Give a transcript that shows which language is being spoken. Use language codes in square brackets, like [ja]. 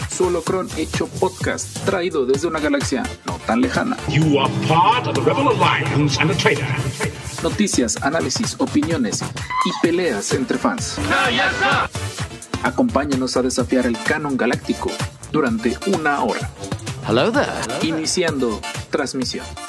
[es] Solo Cron hecho podcast, traído desde una galaxia no tan lejana. [en] You are part of the Rebel Alliance and a traitor. [es] Noticias, análisis, opiniones y peleas entre fans. [en] No, yes, sir. [es] Acompáñanos a desafiar el canon galáctico durante una hora. [en] Hello there. Hello there. [es] Iniciando transmisión.